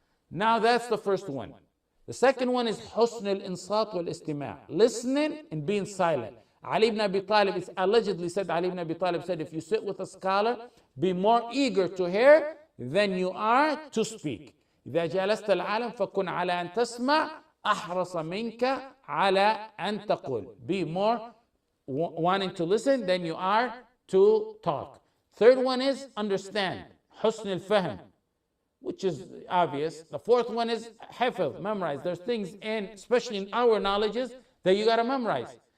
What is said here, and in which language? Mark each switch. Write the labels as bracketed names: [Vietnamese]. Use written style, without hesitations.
[English] Now that's the first one. The second one is [Arabic] حسن الانصات والاستماع. [English] Listening and being silent. Ali ibn Abi Talib, it's allegedly said, Ali ibn Abi Talib said, if you sit with a scholar, be more eager to hear than you are to speak. [Arabic] إذا جلست العالم فكن على أن تسمع أحرص منك على أن تقول. [English] Be more wanting to listen than you are to talk. Third one is understand, [Arabic] حسن الفهم. [English] which is obvious. The fourth one is hafiz, memorize. There's things in, especially in our knowledges, that you got to memorize.